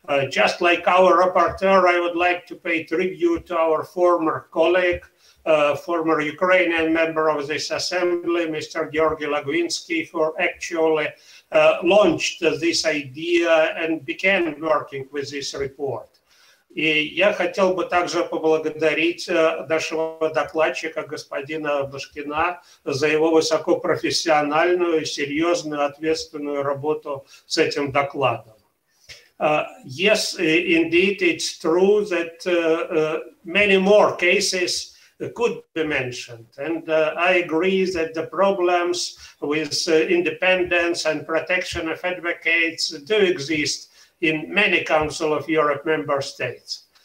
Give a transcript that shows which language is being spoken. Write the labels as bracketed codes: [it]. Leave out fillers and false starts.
[en] Just like our rapporteur, I would like to pay tribute to our former colleague, former Ukrainian member of this assembly, Mr. Georgi Logvinsky, for actually launched this idea and began working with this report. [ru] И я хотел бы также поблагодарить нашего докладчика, господина Башкина, за его высокопрофессиональную, серьезную, ответственную работу с этим докладом. [en] Yes, indeed, it's true that many more cases could be mentioned. And I agree that the problems with independence and protection of advocates do exist in many Council of Europe member states.